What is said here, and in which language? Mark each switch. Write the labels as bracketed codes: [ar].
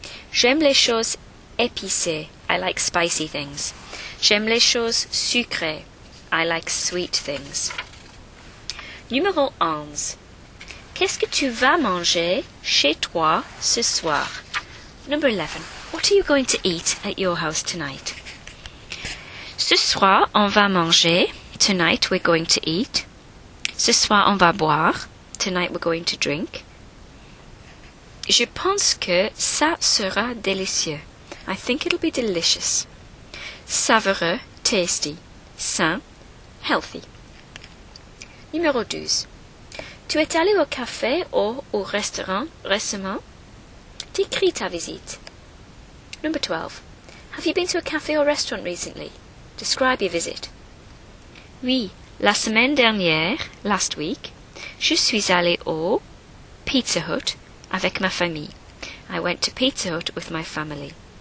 [fr] J'aime les choses épicées, [en] I like spicy things. [fr] J'aime les choses sucrées, [en] I like sweet things. [fr] Numéro 11. Qu'est-ce que tu vas manger chez toi ce soir? [en] Number 11. What are you going to eat at your house tonight? Ce [fr] Ce soir, on va manger. [en] Tonight, we're going to eat. [fr] Ce soir, on va boire. [en] Tonight, we're going to drink. [fr] Je pense que ça sera délicieux. [en] I think it'll be delicious. Savoureux, tasty. [fr] Sain, healthy. Numéro 12. Tu es allé au café ou au restaurant récemment? Décris ta visite. [en] Number 12. Have you been to a café or restaurant recently? Describe your visit. [fr] Oui, la semaine dernière, [en] last week, [fr] je suis allé au Pizza Hut avec ma famille. [en] I went to Pizza Hut with my family.